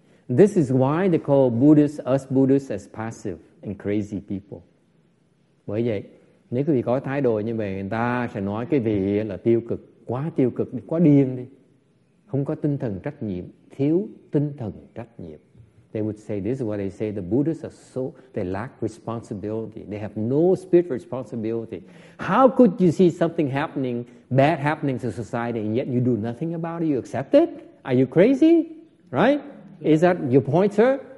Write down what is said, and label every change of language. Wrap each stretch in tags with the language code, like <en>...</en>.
<en>This is why they call us Buddhists as passive and crazy people.</en> <vi>Bởi vậy, nếu quý vị có thái độ như vậy, người ta sẽ nói cái vị là tiêu cực, quá điên đi. Không có tinh thần trách nhiệm, thiếu tinh thần trách nhiệm.</vi> <en>They would say, this is what they say, the Buddhists are so, they lack responsibility. They have no spirit of responsibility. How could you see something happening, bad happening to society, and yet you do nothing about it, you accept it? Are you crazy? Right? Yes. Is that your point, sir?</en>